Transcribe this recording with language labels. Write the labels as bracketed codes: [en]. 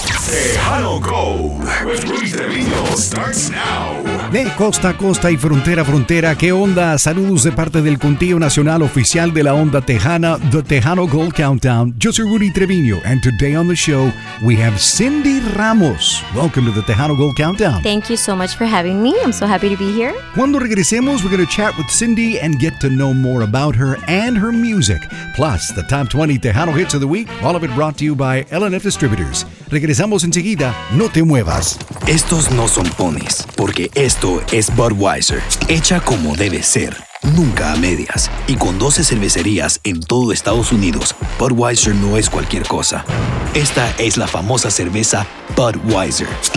[en] Tejano Gold with Luis de Vino starts now. [es] De costa a costa y frontera a frontera, ¿qué onda? Saludos de parte del Contigo Nacional Oficial de la Onda Tejana, The Tejano Gold Countdown. Yo soy [en] Rudy Treviño, and today on the show, we have Cindy Ramos. Welcome to The Tejano Gold Countdown. Thank you so much for having me. I'm so happy to be here. [es] Cuando regresemos, [en] we're going to chat with Cindy and get to know more about her and her music. Plus, the top 20 Tejano hits of the week, all of it brought to you by LNF Distributors. [es] Regresamos enseguida. No te muevas. Estos no son ponis, porque esto es Budweiser, hecha como debe ser, nunca a medias. Y con 12 cervecerías en todo Estados Unidos, Budweiser no es cualquier cosa. Esta es la famosa cerveza Budweiser.